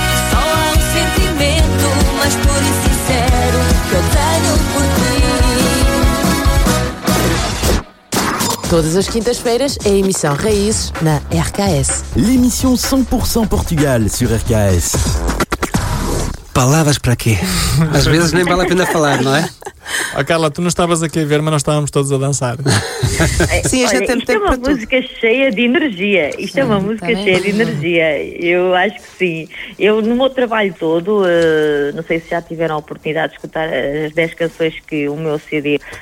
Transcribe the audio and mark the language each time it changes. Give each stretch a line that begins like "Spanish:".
Portuguese: Só há um sentimento mais puro e sincero que eu tenho por ti. Todas as quintas-feiras é a emissão Raízes na RKS.
French: L'émission 100% Portugal sur RKS.
Portuguese: Palavras para quê? Às vezes nem vale a pena falar, não é? Oh Carla, tu não estavas aqui a ver, mas nós estávamos todos a dançar. Sim, olha, isto é uma música cheia de energia. Isto é uma música cheia de energia. Eu acho que sim. Eu, no meu trabalho todo, não sei se já tiveram a oportunidade de escutar as 10 canções que o meu CD...